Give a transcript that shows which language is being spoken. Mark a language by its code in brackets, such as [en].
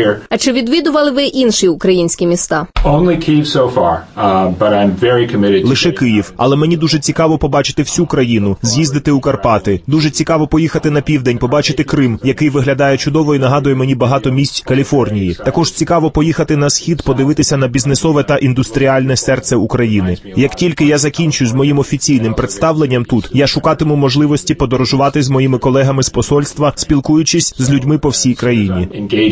[uk] А чи відвідували ви інші українські міста? [en] Only Kyiv so far, but I'm very committed. [uk] Лише Київ, але мені дуже цікаво побачити всю країну, з'їздити у Карпати. Дуже цікаво поїхати на південь, побачити Крим, який виглядає чудово і нагадує мені багато місць Каліфорнії. Також цікаво поїхати на схід, подивитися на бізнесове та індустріальне серце України. Як тільки я закінчу з моїм офіційним представленням тут, я шукатиму можливості подорожувати з моїми колегами з посольства, спілкуючись з людьми по всій країні.